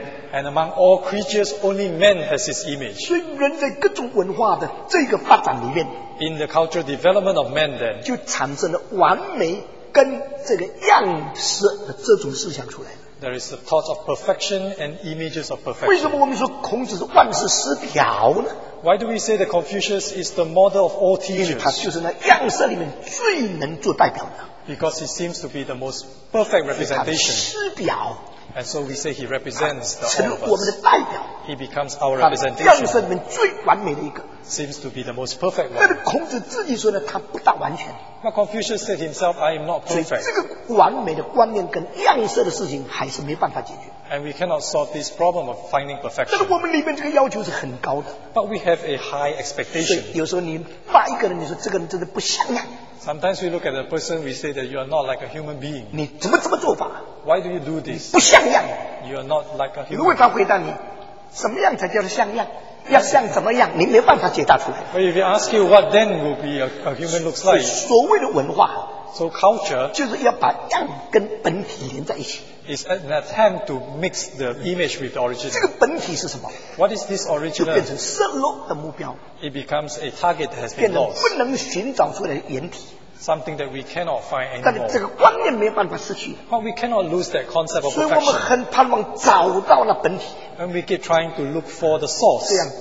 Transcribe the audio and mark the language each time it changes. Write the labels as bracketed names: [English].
[English] and among all creatures, only man has his image. [Chinese] 所以人在各种文化的这个发展里面, [English] in the cultural development of man then, [Chinese] 就产生了完美, 跟这个样式的这种思想出来的。 [English] There is the thought of perfection and images of perfection. [Chinese] 为什么我们说孔子是万世师表呢？ [English] Why do we say that Confucius is the model of all teachers? [Chinese] 因为他就是那样式里面最能做代表的。 [English] Because he seems to be the most perfect representation. [Chinese] 师表。 [English] And so we say he represents the all of us. [Chinese] 我们的代表。 [English] He becomes our representation. [Chinese] 样式里面最完美的一个。 [English] Seems to be the most perfect one. [Chinese] 但是孔子自己说呢，他不大完全。 [English] But Confucius said himself, I am not perfect. [Chinese] 所以这个完美的观念跟样式的事情还是没办法解决。 [English] And we cannot solve this problem of finding perfection. [Chinese] 但是我们里面这个要求是很高的。 [English] But we have a high expectation. [Chinese] 所以有时候你骂一个人，你说这个人真的不像样。 [English] Sometimes we look at a person, we say that you are not like a human being. [Chinese] 你怎么做法？ [English] Why do you do this? [Chinese] 你不像样。 [English] You are not like a human. [Chinese] 如果他回答你， 什么样才叫做像样？要像怎么样， 你没办法解答出来。 [English] But if you ask you what then will be a human looks like, [Chinese] 所谓的文化， [English] so culture, [Chinese] 就是要把样跟本体连在一起。 [English] Is an attempt to mix the image with the original. [Chinese] 这个本体是什么？ [English] What is this original? [Chinese] 就变成失落的目标。 [English] It becomes a target that has been lost. [Chinese] 变成不能寻找出来的原体。 [English] Something that we cannot find anymore. [Chinese] 但这个观念没办法失去。 [English] But we cannot lose that concept of perfection. [Chinese] 所以我们很盼望找到那本体。 [English] And we keep trying to look for the source.